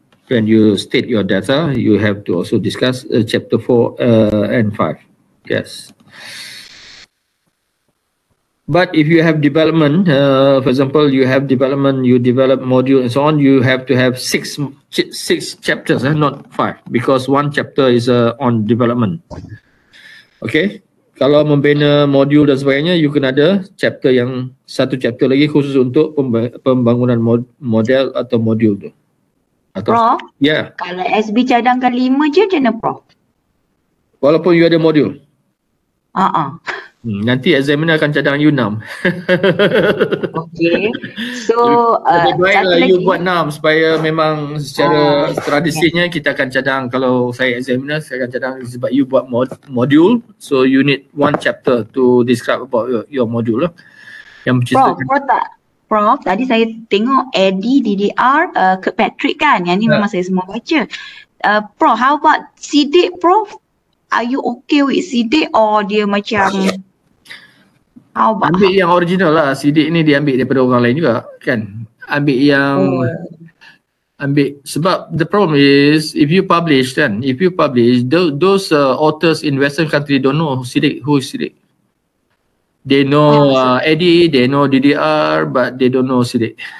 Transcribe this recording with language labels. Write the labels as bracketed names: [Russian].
[English] When you state your data, you have to also discuss chapter 4 and 5. Yes. But if you have development, for example, you have development, you develop module and so on, you have to have six chapters, not five, because one chapter is on development. Okay? [Malay] Kalau membina module dan sebagainya, you kena ada chapter yang satu chapter lagi khusus untuk pembangunan model atau module tu. Atau, Prof, [English] yeah. [Malay] Kalau SB cadangkan 5 je, macam mana Prof? Walaupun you ada module. Uh-uh. Nanti examiner akan cadang you 6. [English] Okay. So, [Malay] you buat 6 supaya memang secara tradisinya kita akan cadang. Kalau saya examiner, saya akan cadang sebab you buat module. [English] So, you need one chapter to describe about your module lah. [Malay] Yang Prof, tadi saya tengok AD, DDR, Kirkpatrick kan. Yang ni memang saya semua baca. Prof, [English] how about CDIC, Prof? Are you okay with CDIC or [Malay] dia macam... Ambil yang original lah. CDIC ni diambil daripada orang lain juga kan. Ambil yang ambil, [English] sebab the problem is if you publish kan, if you publish those authors in Western country don't know CDIC, who is CDIC. They know Eddie, they know DDR, but they don't know CDIC.